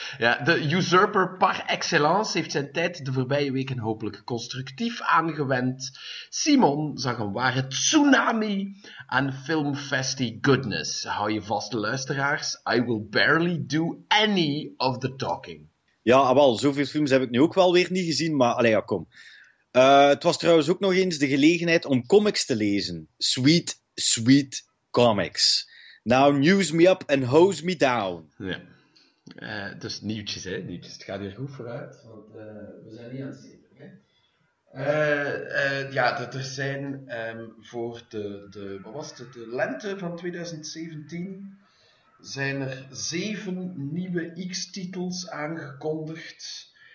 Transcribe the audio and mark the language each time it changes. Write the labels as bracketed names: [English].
[Dutch] Ja, de usurper par excellence heeft zijn tijd de voorbije weken hopelijk constructief aangewend. Simon zag een ware tsunami aan filmfesty goodness. Hou je vast, luisteraars. [English] I will barely do any of the talking. [Dutch] Ja, wel, zoveel films heb ik nu ook wel weer niet gezien, maar allee, ja, kom. Het was trouwens ook nog eens de gelegenheid om comics te lezen. [English] Sweet, sweet comics. Now news me up and hose me down. [Dutch] Ja. Dus nieuwtjes, hè? Nieuwtjes. Het gaat hier goed vooruit, want we zijn niet aan het zeven. Er zijn voor de, wat was het, de lente van 2017 zijn er 7 nieuwe X-titels aangekondigd.